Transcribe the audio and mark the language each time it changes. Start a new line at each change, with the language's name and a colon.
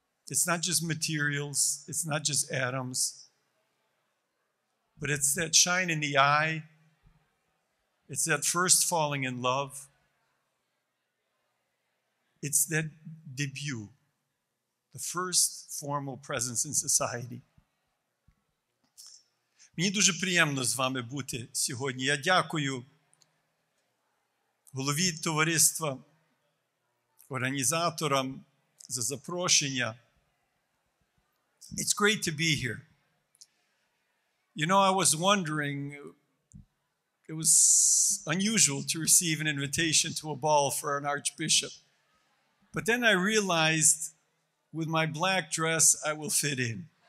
English: It's not just materials, it's not just atoms, but it's that shine in the eye. It's that first falling in love. It's that debut, the first formal presence in society.
Ukrainian: Мені дуже приємно з вами бути сьогодні. Я дякую голові товариства, організаторам за запрошення.
English: It's great to be here. You know, I was wondering, it was unusual to receive an invitation to a ball for an archbishop. But then I realized, with my black dress, I will fit in.